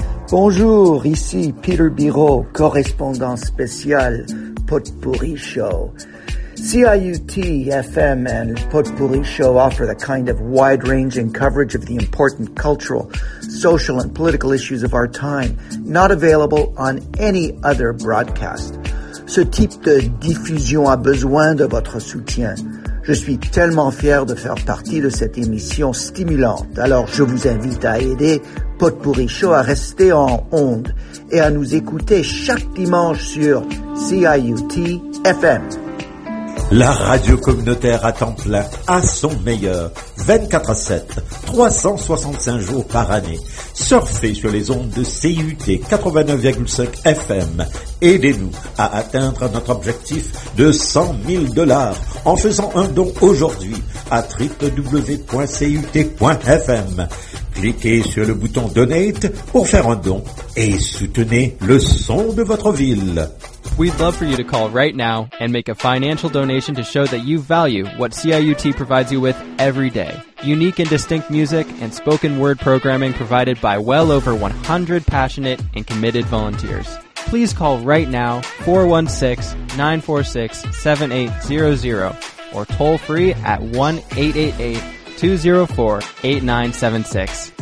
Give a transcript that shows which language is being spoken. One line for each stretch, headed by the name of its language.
French: Bonjour, ici Peter Biraud, correspondant spécial Potpourri Show.
English: CIUT FM and Potpourri Show offer the kind of wide-ranging coverage of the important cultural, social, and political issues of our time, not available on any other broadcast.
French: Ce type de diffusion a besoin de votre soutien. Je suis tellement fier de faire partie de cette émission stimulante, alors je vous invite à aider Potpourri Show à rester en onde et à nous écouter chaque dimanche sur CIUT FM. La radio communautaire à temps plein, à son meilleur, 24/7, 365 jours par année. Surfez sur les ondes de CIUT 89,5 FM. Aidez-nous à atteindre notre objectif de 100 000 $ en faisant un don aujourd'hui à www.cut.fm. Cliquez sur le bouton Donate pour faire un don et soutenez le son de votre ville.
English: We'd love for you to call right now and make a financial donation to show that you value what CIUT provides you with every day. Unique and distinct music and spoken word programming provided by well over 100 passionate and committed volunteers. Please call right now, 416-946-7800 or toll free at 1-888-204-8976.